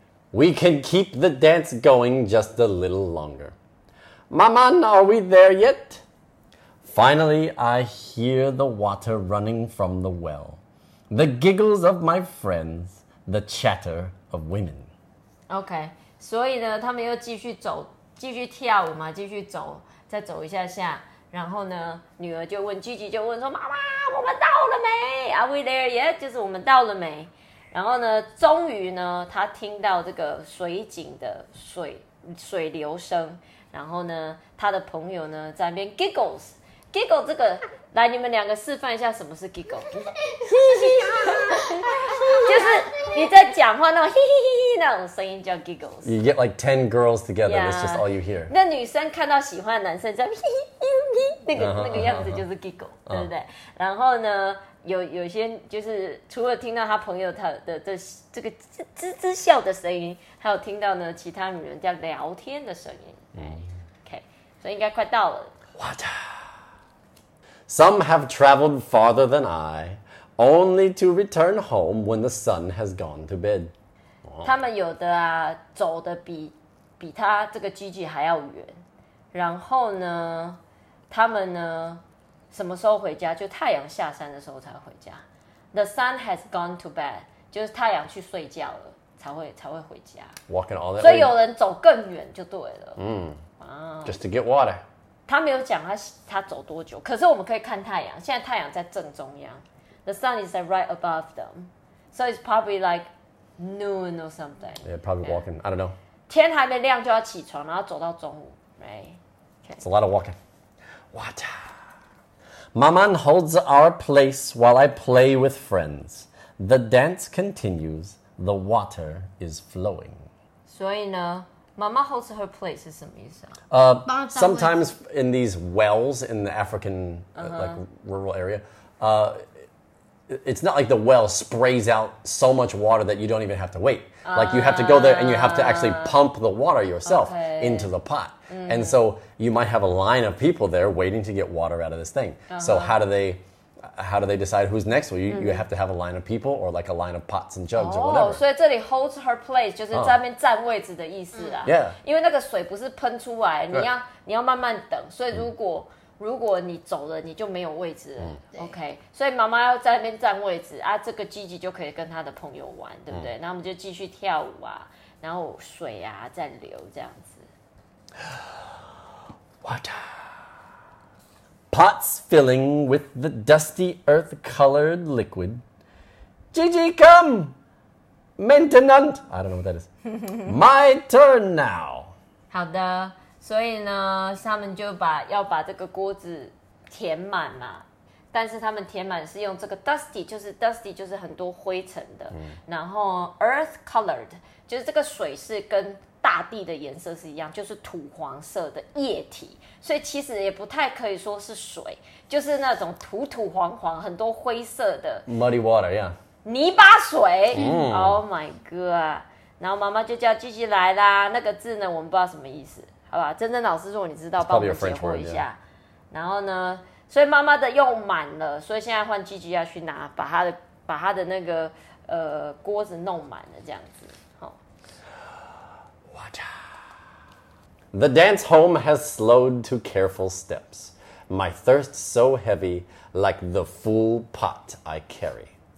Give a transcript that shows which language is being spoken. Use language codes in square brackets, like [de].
[en] We can keep the dance going just a little longer. Maman, are we there yet? Finally, I hear the water running from the well. The giggles of my friends, the chatter of women. [zh] Okay, 所以呢，他们又继续走，继续跳舞嘛，继续走，再走一下下。然后呢，女儿就问 Gigi 就问说：“妈妈，我们到了没 ？ [en] Are we there yet？” [zh] 就是我们到了没？然后呢，终于呢，她听到这个水井的水流声，然后呢，她的朋友呢在那边 giggles。 giggle 这个，来，你们两个示范一下什么是 giggle， 就是你在讲话那种嘿嘿嘿那种声音叫 giggles。 [en] You get like 10 girls together, that's just all you hear. [zh] 那女生看到喜欢的男生叫嘿嘿嘿嘿，那个样子就是 giggle， 对不对？然后呢，有些就是除了听到他朋友他的这个吱吱笑的声音，还有听到呢其他女人在聊天的声音。 OK， 所以应该快到了。 [en] What? Some have traveled farther than I, only to return home when the sun has gone to bed. [zh] 他们有的啊，走的比他这个 Gigi 还要远。然后呢，他们呢，什么时候回家？就太阳下山的时候才回家。 [en] The sun has gone to bed， [zh] 就是太阳去睡觉了，才会回家。 [en] Walking all that. [zh] 所以有人走更远就对了。 [en] 嗯。Just to get water. [zh] 他没有讲 他走多久，可是我们可以看太阳，现在太阳在正中央。 [en] The sun is right above them. So it's probably like noon or something. Yeah, probably walking. I don't know. [zh] 天还没亮就要起床，然后走到中午。 [en] It's a lot of walking. What? Maman holds our place while I play with friends. The dance continues. The water is flowing. [zh] 所以呢 [en] Mama holds her place is [zh] 什么意思啊？ [en] Sometimes in these wells in the African like rural area, it's not like the well sprays out so much water that you don't even have to wait. Like you have to go there and you have to actually pump the water yourself into the pot. And so you might have a line of people there waiting to get water out of this thing. So how do they decide who's next? Well, you have to have a line of people or like a line of pots and jugs or whatever. [zh] 所以这里 [en] holds her place [zh] 就是在那边占位置的意思啦。 [en] Yeah. [zh] 因为那个水不是喷出来，你要慢慢等。所以如果你走了，你就没有位置了。 [en] OK. [zh] 所以妈妈要在那边占位置啊，这个Gigi就可以跟她的朋友玩，对不对？然后我们就继续跳舞啊，然后水啊在流这样子。 [en] What? Pots filling with the dusty earth-colored liquid. Gigi, come! [fr] Maintenant! [en] I don't know what that is. My turn now! [zh] 好的，所以呢，他们就要把这个锅子填满嘛。但是他们填满是用这个 dusty 就是很多灰尘的。然后 earth-colored, 就是这个水是跟大地的颜色是一样，就是土黄色的液体，所以其实也不太可以说是水，就是那种土土黄黄很多灰色的 [en] muddy water， yeah， [zh] 泥巴水。 [en] Oh my god！ [zh] 然后妈妈就叫继续来啦。那个字呢，我们不知道什么意思，好吧？真正老师，如果你知道，帮我们解惑一下。然后呢，所以妈妈的用满了，所以现在换继续要去拿，把他的那个锅子弄满了，这样子。 [en] The dance home has slowed to careful steps. My thirst so heavy, like the full pot I carry.